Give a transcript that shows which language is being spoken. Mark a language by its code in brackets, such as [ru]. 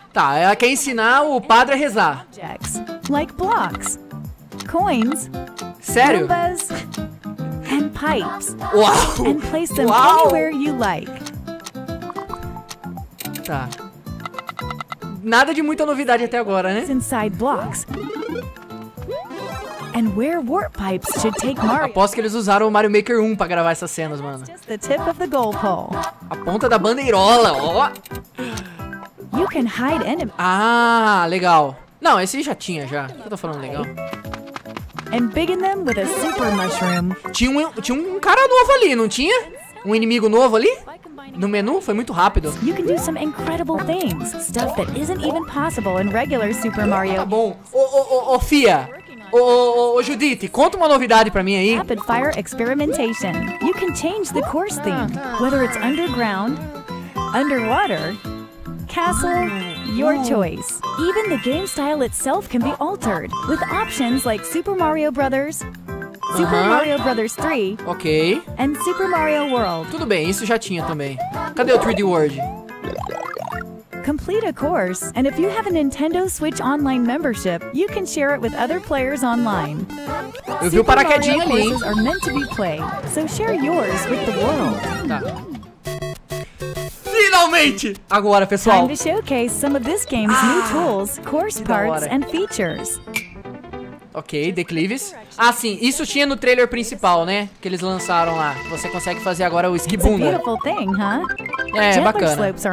[pt] Tá, ela quer ensinar o padre a rezar. [en] Objects, like blocks, coins, [pt] sério? [en] Goombas, and pipes. [pt] Uau! [en] And place them Uau. Anywhere you like. [pt] Tá. Nada de muita novidade até agora, né? [en] Inside blocks. And where warp pipes should take Mario. [pt] Aposto que eles usaram o Mario Maker 1 pra gravar essas cenas, mano. [en] The tip of the goal pole. [pt] A ponta da bandeirola, ó. [en] You can hide enemy. [pt] Ah, legal. Não, esse já tinha, já. O que eu tô falando legal? [en] And biggin' them with a super mushroom. [pt] Tinha um cara novo ali, não tinha? Um inimigo novo ali? No menu? Foi muito rápido. [en] You can do some incredible things. Stuff that isn't even possible in regular Super Mario. [pt] Tá bom. Ô, Fia. Ô, Judite, conta uma novidade pra mim aí. [en] Rapid fire experimentation. You can change the course theme, whether it's underground, underwater, castle, your choice. Even the game style itself can be altered with options like Super Mario Brothers, Super Mario Brothers 3, ok, and Super Mario World. [pt] Tudo bem, isso já tinha também. Cadê o 3D World? [en] Complete a course, and if you have a Nintendo Switch Online membership, you can share it with other players online. [pt] Eu vi o paraquedinho ali. [en] Super Mario courses are meant to be played, so share yours with the world. [pt] Tá. Finalmente! Agora, pessoal. [en] Time to showcase some of this game's new tools, course parts, and features. [pt] Ok, declives. Ah, sim, isso tinha no trailer principal, né? Que eles lançaram lá. Você consegue fazer agora o esquibunda. É, bacana.